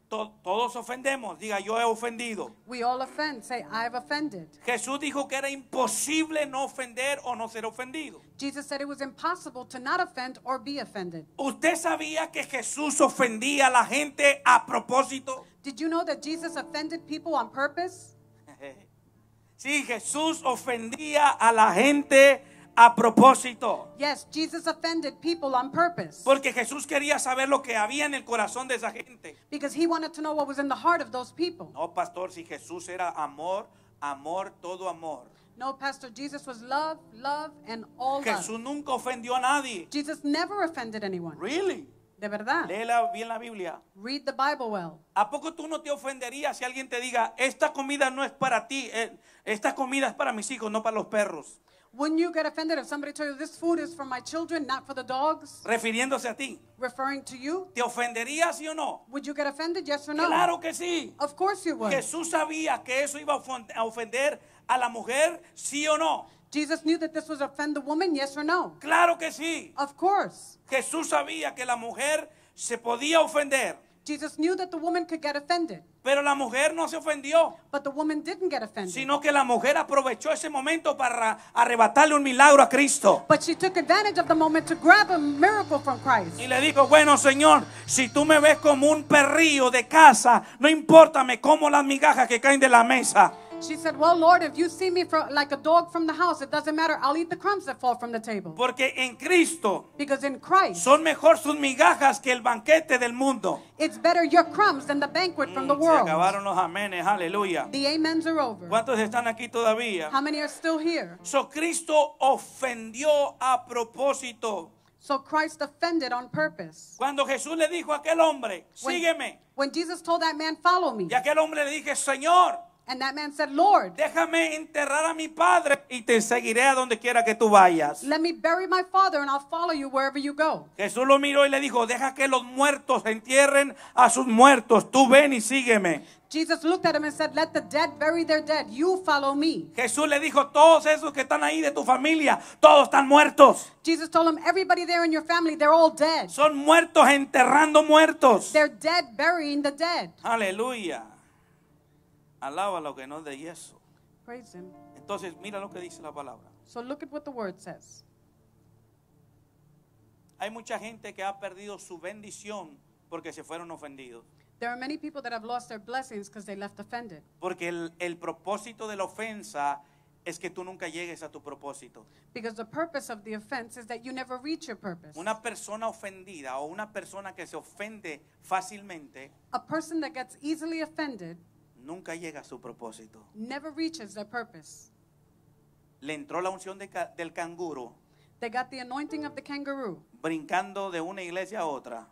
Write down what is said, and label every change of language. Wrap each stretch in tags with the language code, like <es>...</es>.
<es>Todos ofendemos. Diga, yo he ofendido.</es> <en>We all offend. Say, I've offended.</en> <es>Jesús dijo que era imposible no ofender o no ser ofendido.</es> <en>Jesus said it was impossible to not offend or be offended.</en> <es>¿Usted sabía que Jesús ofendía a la gente a propósito?</es> <en>Did you know that Jesus offended people on purpose?</en> <es>Sí, Jesús ofendía a la gente a propósito.</es> <en>Yes, Jesus offended people on purpose.</en> <es>Porque Jesús quería saber lo que había en el corazón de esa gente.</es> <en>Because he wanted to know what was in the heart of those people.</en> <es>No, pastor, si Jesús era amor, amor, todo amor.</es> <en>No, pastor, Jesus was love, love, and all love.</en> <es>Jesús nunca ofendió a nadie.</es> <en>Jesus never offended anyone. Really?</en> <es>De verdad. Léela bien la Biblia.</es> <en>Read the Bible well.</en> <es>¿A poco tú no te ofenderías si alguien te diga, esta comida no es para ti, esta comida es para mis hijos, no para los perros?</es> <en>Wouldn't you get offended if somebody told you this food is for my children, not for the dogs?</en> <es>Refiriéndose a ti.</es> <en>Referring to you.</en> <es>¿Te ofenderías, sí o no?</es> <en>Would you get offended, yes or no?</en> <es>Claro que sí.</es> <en>Of course you would.</en> <es>Jesús sabía que eso iba a ofender a la mujer, sí o no.</es> <en>Jesus knew that this was offend the woman, yes or no.</en> <es>Claro que sí.</es> <en>Of course.</en> <es>Jesús sabía que la mujer se podía ofender.</es> <en>Jesus knew that the woman could get offended.</en> <es>Pero la mujer no se ofendió.</es> <en>But the woman didn't get offended.</en> <es>Sino que la mujer aprovechó ese momento para arrebatarle un milagro a Cristo.</es> <en>But she took advantage of the moment to grab a miracle from Christ.</en> <es>Y le dijo, bueno, Señor, si tú me ves como un perrillo de casa, no importa, me como las migajas que caen de la mesa.</es> <en>She said, well, Lord, if you see me for, like a dog from the house, it doesn't matter. I'll eat the crumbs that fall from the table.</en> <es>Porque en Cristo,</es> <en>because in Christ,</en> <es>son mejor sus migajas que el banquete del mundo.</es> <en>It's better your crumbs than the banquet from the world.</en> <es>Se acabaron los amenes, hallelujah.</es> <en>The amens are over.</en> <es>¿Cuántos están aquí todavía?</es> <en>How many are still here?</en> <es>So Cristo ofendió a propósito.</es> <en>So Christ offended on purpose.</en> <es>Cuando Jesús le dijo a aquel hombre, sígueme.</es> <en>When Jesus told that man, follow me.</en> <es>Y aquel hombre le dije, Señor.</es> <en>And that man said, Lord,</en> <es>déjame enterrar a mi padre y te seguiré a donde quiera que tú vayas.</es> <en>Let me bury my father and I'll follow you wherever you go.</en> <es>Jesús lo miró y le dijo, deja que los muertos entierren a sus muertos. Tú ven y sígueme.</es> <en>Jesus looked at him and said, let the dead bury their dead. You follow me.</en> <es>Jesús le dijo, todos esos que están ahí de tu familia, todos están muertos.</es> <en>Jesus told him, everybody there in your family, they're all dead.</en> <es>Son muertos enterrando muertos.</es> <en>They're dead burying the dead.</en> <es>Aleluya. Alaba lo que no es de yeso.</es> <en>Praise him.</en> <es>Entonces mira lo que dice la palabra.</es> <en>So look at what the word says.</en> <es>Hay mucha gente que ha perdido su bendición porque se fueron ofendidos.</es> <en>There are many people that have lost their blessings because they left offended.</en> <es>Porque el propósito de la ofensa es que tú nunca llegues a tu propósito.</es> <en>Because the purpose of the offense is that you never reach your purpose.</en> <es>Una persona ofendida o una persona que se ofende fácilmente.</es> <en>A person that gets easily offended.</en> <es>Nunca llega a su propósito.</es> <en>Never reaches their purpose.</en> <es>Le entró la unción del canguro.</es> <en>They got the anointing of the kangaroo.</en> <es>Brincando de una iglesia a otra.</es>